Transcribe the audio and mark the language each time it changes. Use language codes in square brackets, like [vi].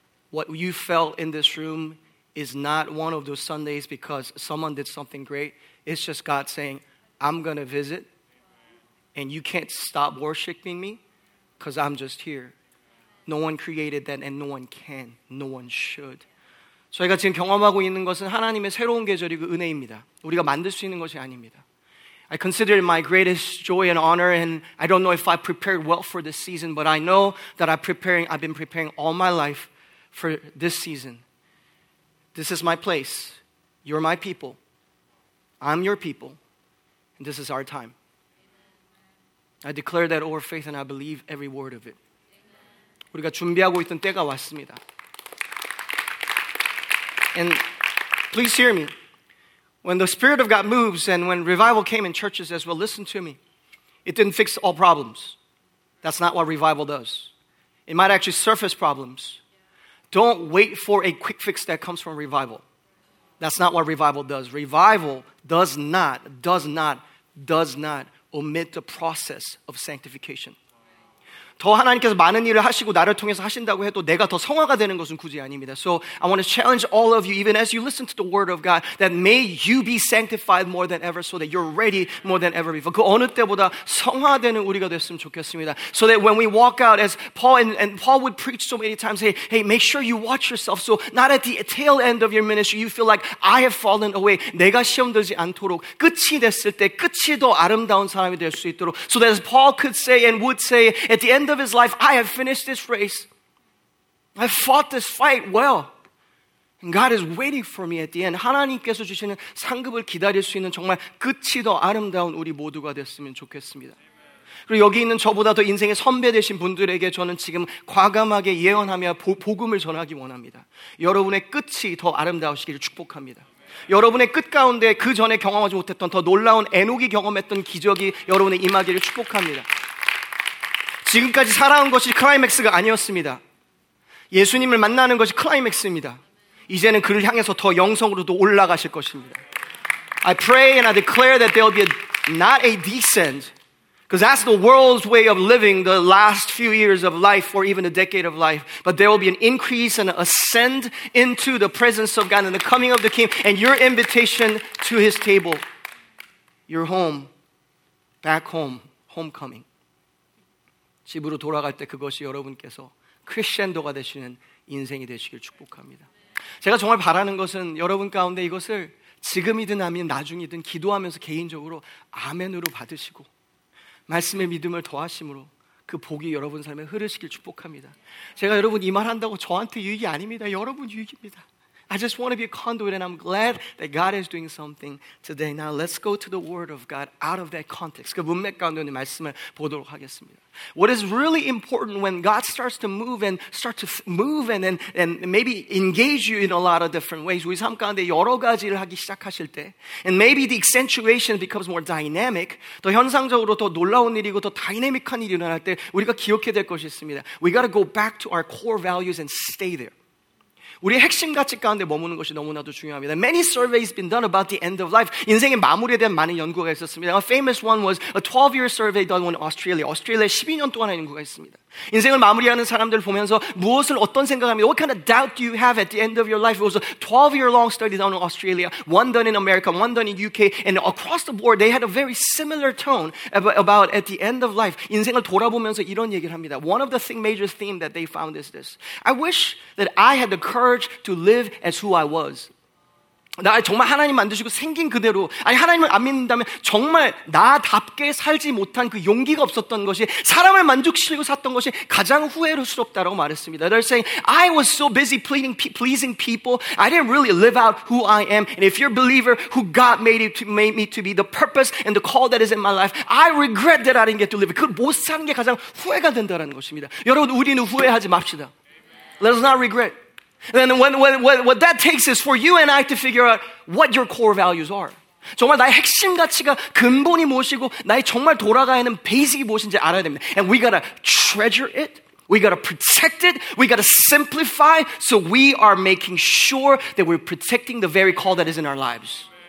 [en] What you felt in this room is not one of those Sundays because someone did something great. It's just God saying, I'm going to visit, and you can't stop worshiping me because I'm just here. No one created that, and no one can. No one should. [ko] 저희가 지금 경험하고 있는 것은 하나님의 새로운 계절이고 은혜입니다. 우리가 만들 수 있는 것이 아닙니다. [en] I consider it my greatest joy and honor, and I don't know if I prepared well for this season, but I know that I've been preparing all my life for this season. This is my place. You're my people. I'm your people. And this is our time. I declare that over faith, and I believe every word of it. [ko] 우리가 준비하고 있던 때가 왔습니다. [en] And please hear me. When the Spirit of God moves and when revival came in churches as well, listen to me. It didn't fix all problems. That's not what revival does. It might actually surface problems. Don't wait for a quick fix that comes from revival. That's not what revival does. Revival does not omit the process of sanctification. [ko] 더 하나님께서 많은 일을 하시고 나를 통해서 하신다고 해도 내가 더 성화가 되는 것은 굳이 아닙니다. [en] So I want to challenge all of you, even as you listen to the word of God, that may you be sanctified more than ever so that you're ready more than ever before. [ko] 그 어느 때보다 성화되는 우리가 됐으면 좋겠습니다. [en] So that when we walk out, as Paul and Paul would preach so many times, hey, make sure you watch yourself so not at the tail end of your ministry you feel like I have fallen away. [ko] 내가 시험되지 않도록 끝이 됐을 때 끝이 더 아름다운 사람이 될 수 있도록 [en] so that as Paul could say and would say at the end of his life, I have finished this race. I fought this fight well. And God is waiting for me at the end. [ko] 하나님께서 주시는 상급을 기다릴 수 있는 정말 끝이 더 아름다운 우리 모두가 됐으면 좋겠습니다. 그리고 여기 있는 저보다도 인생의 선배 되신 분들에게 저는 지금 과감하게 예언하며 복음을 전하기 원합니다. 여러분의 끝이 더 아름다우시기를 축복합니다. 여러분의 끝 가운데 그 전에 경험하지 못했던 더 놀라운 에녹이 경험했던 기적이 여러분의 임하기를 축복합니다. 지금까지 살아온 것이 클라이맥스가 아니었습니다. 예수님을 만나는 것이 클라이맥스입니다. 이제는 그를 향해서 더 영성으로도 올라가실 것입니다. [en] I pray and I declare that there will be not a descent, because that's the world's way of living the last few years of life or even a decade of life, but there will be an increase and ascend into the presence of God and the coming of the King and your invitation to his table, your home, back home, homecoming. [ko] 집으로 돌아갈 때 그것이 여러분께서 크리스천도가 되시는 인생이 되시길 축복합니다. 제가 정말 바라는 것은 여러분 가운데 이것을 지금이든 아니면 나중이든 기도하면서 개인적으로 아멘으로 받으시고 말씀의 믿음을 더하심으로 그 복이 여러분 삶에 흐르시길 축복합니다. 제가 여러분 이 말 한다고 저한테 유익이 아닙니다. 여러분 유익입니다. [en] I just want to be a conduit and I'm glad that God is doing something today. Now let's go to the word of God out of that context. [ko] 그 문맥 가운데 말씀을 보도록 하겠습니다. [en] What is really important when God starts to move and start to move and maybe engage you in a lot of different ways. [ko] 우리 삶 가운데 여러 가지를 하기 시작하실 때 [en] and maybe the accentuation becomes more dynamic. [ko] 더 현상적으로 더 놀라운 일이고 더 다이내믹한 일이 일어날 때 우리가 기억해야 될 것이 있습니다. [en] We got to go back to our core values and stay there. [ko] 우리의 핵심 가치 가운데 머무는 것이 너무나도 중요합니다. [en] Many surveys been done about the end of life. [ko] 인생의 마무리에 대한 많은 연구가 있었습니다. [en] A famous one was a 12-year survey done in Australia. [ko] 오스트레일리아에 12년 동안 연구가 있습니다. 인생을 마무리하는 사람들을 보면서 무엇을 어떤 생각합니다? [en] What kind of doubt do you have at the end of your life? It was a 12-year long study done in Australia, one done in America, one done in UK, and across the board, they had a very similar tone about at the end of life. [ko] 인생을 돌아보면서 이런 얘기를 합니다. [en] One of the major themes that they found is this. I wish that I had the courage to live as who I was. [ko] 나 정말 하나님 만드시고 생긴 그대로 아니 하나님을 안 믿는다면 정말 나답게 살지 못한 그 용기가 없었던 것이 사람을 만족시키고 샀던 것이 가장 후회스럽다라고 말했습니다. [en] They're saying I was so busy pleasing people. I didn't really live out who I am. And if you're a believer who God made me to be the purpose and the call that is in my life, I regret that I didn't get to live it. [ko] 그걸 못 사는 게 가장 후회가 된다는 것입니다. 여러분 우리는 후회하지 맙시다. [en] Let us not regret. And then what that takes is for you and I to figure out what your core values are. [ko] 정말 나의 핵심 가치가 근본이 무엇이고 나의 정말 돌아가야 하는 베이직이 무엇인지 알아야 됩니다. [en] And we gotta treasure it. We got to protect it. We got to simplify so we are making sure that we're protecting the very call that is in our lives.